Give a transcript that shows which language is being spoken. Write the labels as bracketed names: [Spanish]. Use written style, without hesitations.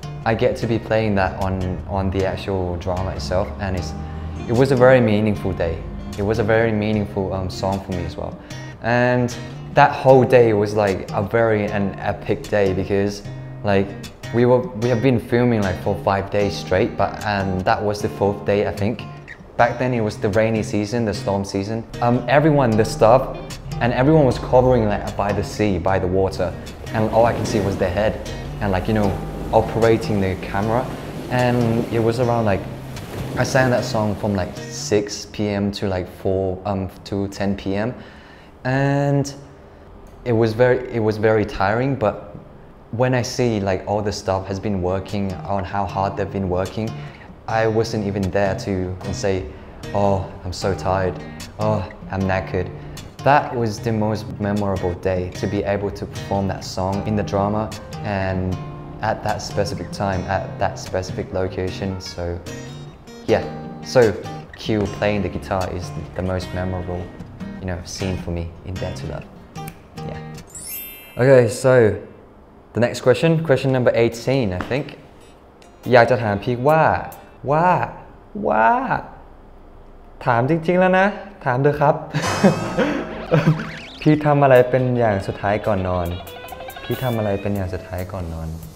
[English] I get to be playing that on the actual drama itself and it was a very meaningful day it was a very meaningful song for me as well and that whole day was like a very an epic day because like we have been filming like for 5 days straight but and that was the fourth day I think back then it was the rainy season the storm season everyone the staffAnd everyone was covering like by the sea, by the water, and all I could see was their head, and like you know, operating the camera. And it was around like I sang that song from like 6 p.m. to like 4 to 10 p.m. And it was very tiring. But when I see like all the staff has been working on how hard they've been working, I wasn't even there to say, oh, I'm so tired, oh, I'm knackered. That was the most memorable day to be able to perform that song in the drama and at that specific time, at that specific location. So, yeah. So, Q playing the guitar is the most memorable, you know, scene for me in Dare to Love. Yeah. Okay, so the next question, question number 18, I think. [Thai] อยากจะถามพี่ว่าว่าว่าถามจริงๆแล้วนะถามเถอะครับพี่ทำอะไรเป็นอย่างสุดท้ายก่อนนอนพี่ทำอะไรเป็นอย่างสุดท้ายก่อนนอน